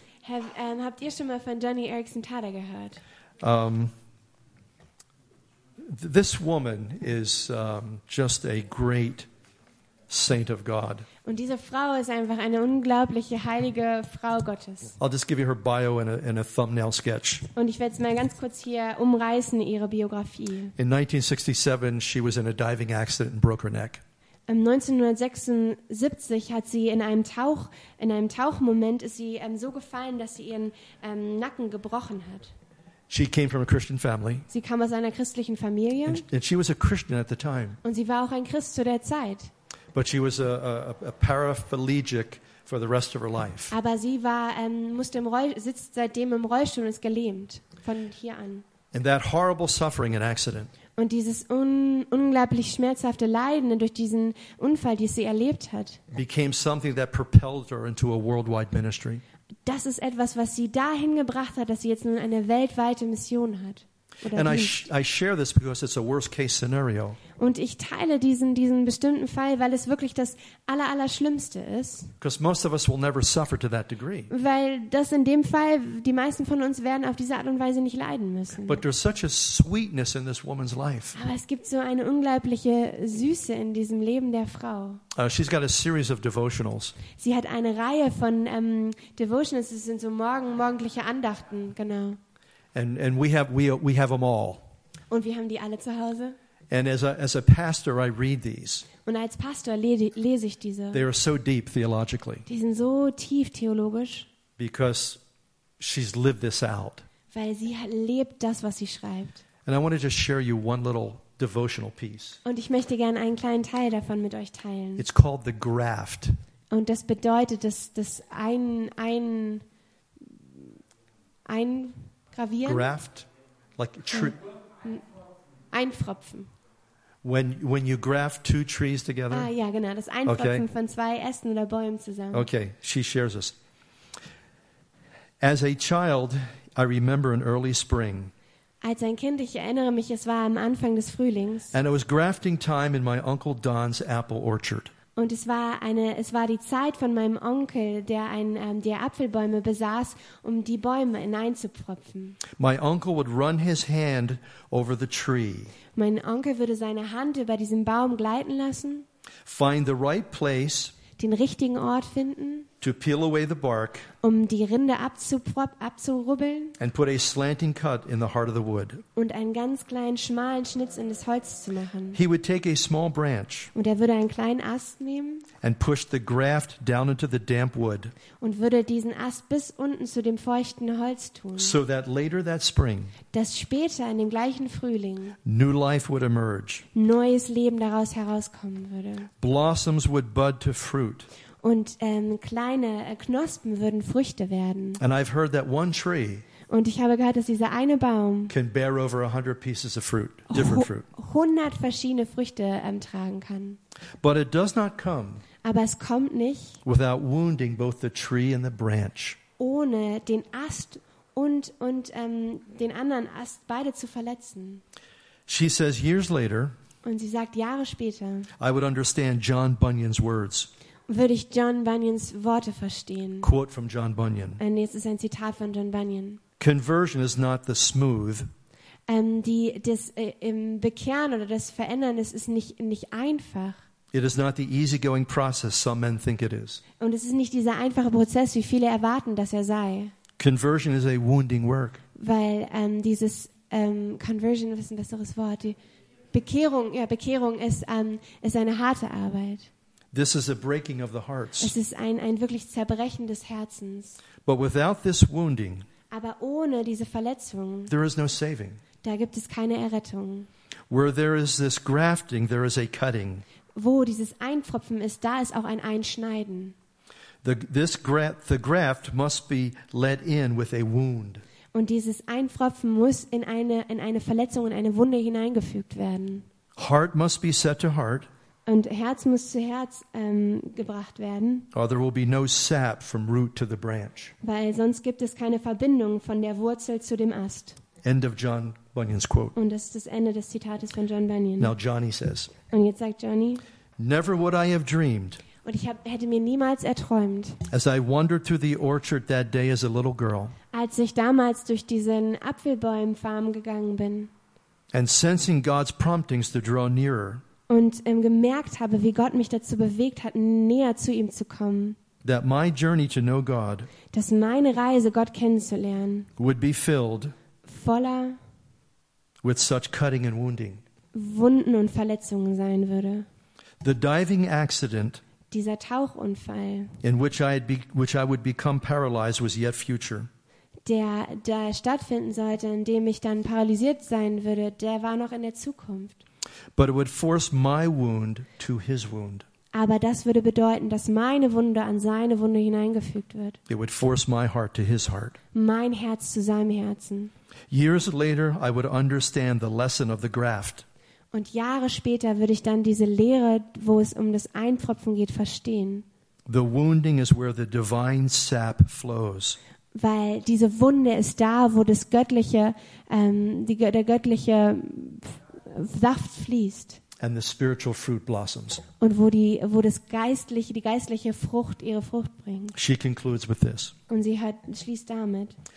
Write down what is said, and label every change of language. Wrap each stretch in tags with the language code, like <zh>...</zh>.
<de>Habt ihr schon mal von Johnny Erickson Tada gehört?</de> <en>This woman is just a great saint of God.</en> <de>Und diese Frau ist einfach eine unglaubliche heilige Frau Gottes.</de> <en>I'll just give you her bio in a thumbnail sketch.</en> <de>Und ich werde es mal ganz kurz hier umreißen, ihre Biografie.</de> <en>In 1967 she was in a diving accident and broke her neck.</en> <de>1976 hat sie in einem Tauchmoment ist sie so gefallen, dass sie ihren Nacken gebrochen hat.</de> <en>She came from a Christian family.</en> <de>Sie kam aus einer christlichen Familie.</de> <en>And she was a Christian at the time.</en> <de>Und sie war auch ein Christ zu der Zeit.</de> <en>But she was a paraplegic for the rest of her life.</en> <de>Aber sie war sitzt seitdem im Rollstuhl und ist gelähmt von hier an.</de> <en>And that horrible suffering and accident.</en> <de>Und dieses unglaublich schmerzhafte Leiden durch diesen Unfall, den sie erlebt hat.</de> <en>Became something that propelled her into a worldwide ministry.</en> <de>Das ist etwas, was sie dahin gebracht hat, dass sie jetzt nun eine weltweite Mission hat.</de> <en>And I share this because it's a worst case scenario.</en> <de>Und ich teile diesen bestimmten Fall, weil es wirklich das Allerallerschlimmste ist.</de> <en>Because most of us will never suffer to that degree.</en> <de>Weil das in dem Fall, die meisten von uns werden auf diese Art und Weise nicht leiden müssen.</de> <en>But there's such a sweetness in this woman's life.</en> <de>Aber es gibt so eine unglaubliche Süße in diesem Leben der Frau.</de> <en>She's got a series of devotionals.</en> <de>Sie hat eine Reihe von Devotionals, das sind so morgendliche Andachten, genau.</de> <en>And we have them all.</en> <de>Und wir haben die alle zu Hause.</de> <en>And as a pastor, I read these.</en> <de>Und als Pastor lese ich diese.</de> <en>They are so deep theologically.</en> <de>Die sind so tief theologisch.</de> <en>Because she's lived this out.</en> <de>Weil sie lebt das, was sie schreibt.</de> <en>And I wanted to share you one little devotional piece.</en> <de>Und ich möchte gerne einen kleinen Teil davon mit euch teilen.</de> <en>It's called the graft.</en> <de>Und das bedeutet, dass das ein gravieren.</de> <en>Graft, like true.</en> <de>Einfropfen.</de> <en>When you graft two trees together.</en> <de>Ah ja, genau, das Einfropfen okay. Von zwei Ästen oder Bäumen zusammen.</de> <en>Okay, she shares this. As a child, I remember an early spring.</en> <de>Als ein Kind, ich erinnere mich, es war am Anfang des Frühlings.</de> <en>And it was grafting time in my Uncle Don's apple orchard.</en> <de>Und es war die Zeit von meinem Onkel, der Apfelbäume besaß, um die Bäume hineinzupfropfen.</de> <en>My uncle would run his hand over the tree.</en> <de>Mein Onkel würde seine Hand über diesen Baum gleiten lassen.</de> <en>Find the right place.</en> <de>Den richtigen Ort finden.</de> <en>to peel away the bark,</en> <de>um die Rinde abzurubbeln,</de> <en>and put a slanting cut in the heart of the wood,</en> <de>und einen ganz kleinen schmalen Schnitz in das Holz zu machen.</de> <en>He would take a small branch,</en> <de>und würde einen kleinen Ast nehmen,</de> <en>and push the graft down into the damp wood,</en> <de>und würde diesen Ast bis unten zu dem feuchten Holz tun,</de> <en>so that later that spring,</en> <de>dass später in dem gleichen Frühling,</de> <en>new life would emerge,</en> <de>neues Leben daraus herauskommen würde.</de> <en>Blossoms would bud to fruit.</en> <de>Und kleine Knospen würden Früchte werden.</de> <en>And I've heard that one tree,</en> <de>und ich habe gehört, dass dieser eine Baum 100 verschiedene Früchte tragen kann.</de> <en>But it does not come,</en> <de>aber es kommt nicht,</de> <en>without wounding both the tree and the branch,</en> <de>ohne den Ast und den anderen Ast beide zu verletzen.</de> <en>She says years later,</en> <de>und sie sagt Jahre später,</de> <en>I would understand John Bunyan's words.</en> <de>Würde ich John Bunyans Worte verstehen.</de> <en>Quote from John Bunyan.</en> <de>Und jetzt ist ein Zitat von John Bunyan.</de> <en>Conversion is not the smooth.</en> <de>Im Bekehren oder das Verändern, das ist nicht einfach.</de> <en>It is not the easygoing process some men think it is.</en> <de>Und es ist nicht dieser einfache Prozess, wie viele erwarten, dass er sei.</de> <en>Conversion is a wounding work.</en> <de>Weil Conversion ist ein besseres Wort. Die Bekehrung ist eine harte Arbeit.</de> <en>This is a breaking of the hearts.</en> <de>Es ist ein wirklich Zerbrechen des Herzens.</de> <en>But without this wounding,</en> <de>aber ohne diese Verletzung,</de> <en>there is no saving.</en> <de>Da gibt es keine Errettung.</de> <en>Where there is this grafting, there is a cutting.</en> <de>Wo dieses Einpfropfen ist, da ist auch ein Einschneiden.</de> <en>The graft must be let in with a wound.</en> <de>Und dieses Einpfropfen muss in eine Verletzung, in eine Wunde hineingefügt werden.</de> <en>Heart must be set to heart.</en> <de>Und Herz muss zu Herz gebracht werden.</de> <en>Or there will be no sap from root to the branch.</en> <de>Weil sonst gibt es keine Verbindung von der Wurzel zu dem Ast.</de> <en>End of John Bunyan's quote.</en> <de>Und das ist das Ende des Zitates von John Bunyan.</de> <en>Now Johnny says.</en> <de>Und jetzt sagt Johnny.</de> <en>Never would I have dreamed.</en> <de>Und ich hätte mir niemals erträumt.</de> <en>As I wandered through the orchard that day as a little girl.</en> <de>Als ich damals durch diesen Apfelbäumenfarm gegangen bin.</de> <en>And sensing God's promptings to draw nearer.</en> <de>Und gemerkt habe, wie Gott mich dazu bewegt hat, näher zu ihm zu kommen.</de> <en>That my journey to know God,</en> <de>dass meine Reise, Gott kennenzulernen,</de> <en>would be filled</en> <de>voller</de> <en>with such cutting and wounding.</en> <de>Wunden und Verletzungen sein würde.</de> <en>The diving accident,</en> <de>dieser Tauchunfall,</de> <en>in which I would become paralyzed, was yet future.</en> <de>Der da stattfinden sollte, in dem ich dann paralysiert sein würde, der war noch in der Zukunft.</de> <en>But it would force my wound to his wound.</en> <de>Aber das würde bedeuten, dass meine Wunde an seine Wunde hineingefügt wird.</de> <en>It would force my heart to his heart.</en> <de>Mein Herz zu seinem Herzen.</de> <en>Years later, I would understand the lesson of the graft.</en> <de>Und Jahre später würde ich dann diese Lehre, wo es um das Einpfropfen geht, verstehen.</de> <en>The wounding is where the divine sap flows.</en> <de>Weil diese Wunde ist da, wo das göttliche, der göttliche Saft fließt.</de> <en>And the spiritual fruit blossoms.</en> <de>Und wo die geistliche Frucht ihre Frucht bringt.</de> <en>She concludes with this.</en> <de>Und sie schließt damit.</de>